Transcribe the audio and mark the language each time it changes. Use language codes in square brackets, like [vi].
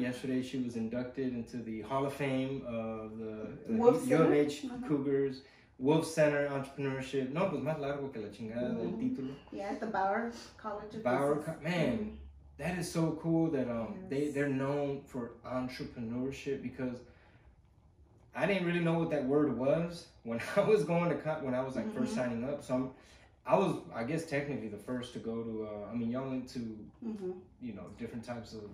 [en] Yesterday she was inducted into the Hall of Fame of the Wolf U of H uh-huh. Cougars. Wolf Center Entrepreneurship. [es] No, pues más largo que la chingada del título. [en] Yeah, the Bauer College of Bauer Business. Man, that is so cool that yes. they're known for entrepreneurship, because I didn't really know what that word was when I was going to when I was like first signing up. So I guess technically the first to go to y'all went to you know, different types of.